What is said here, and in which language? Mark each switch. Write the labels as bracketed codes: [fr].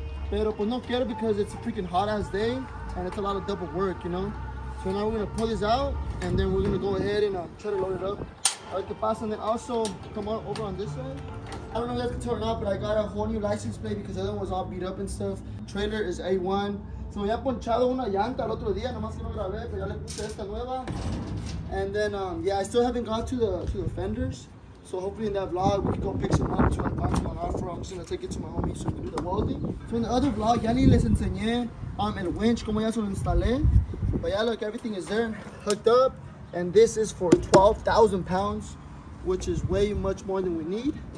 [es] Pero pues no quiero [en] because it's a freaking hot ass day and it's a lot of double work, you know? So now we're gonna pull this out and then we're gonna go ahead and try to load it up. All right, [es] que pasa, [en] and then also come on over on this side. I don't know if that's gonna turn out, but I got a whole new license plate because the other one was all beat up and stuff. Trailer is A1. [es] So me había ponchado una llanta el otro día, nomás que no grabé, pero ya le puse esta nueva. [en] And then, I still haven't got to the fenders. So hopefully in that vlog, we can go pick some up to unbox my arm for. I'm just gonna take it to my homie so we can do the welding. So in the other vlog, [es] ya ni les enseñé el winch, como ya se lo instalé. [en] But yeah, look, everything is there, hooked up. And this is for 12,000 pounds, which is way much more than we need.